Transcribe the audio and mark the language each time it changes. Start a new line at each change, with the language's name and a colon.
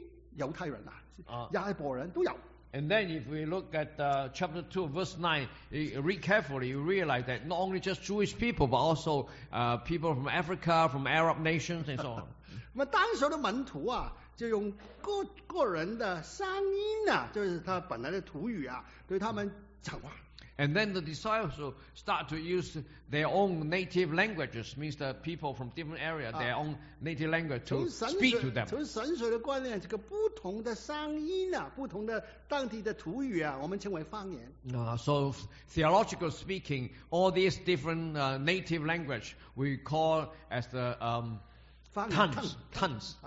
Chinese: 如果你留意看第九节到十一节，其中包括有非犹太人啊，亚伯人都有。
English: And then if we look at chapter 2, verse 9, read carefully, you realize that not only just Jewish people, but also people from Africa, from Arab nations, and so on.
Chinese: 那么当时的门徒啊, 就用个人的乡音啊，就是他本来的土语啊，对他们讲话。
English: And then the disciples start to use their own native languages, means the people from different areas, their own native language to speak to them.
Chinese: 从神水的观念，这个不同的乡音啊，不同的当地的土语啊，我们称为方言。
English: So theological speaking, all these different native language we call as the tongues.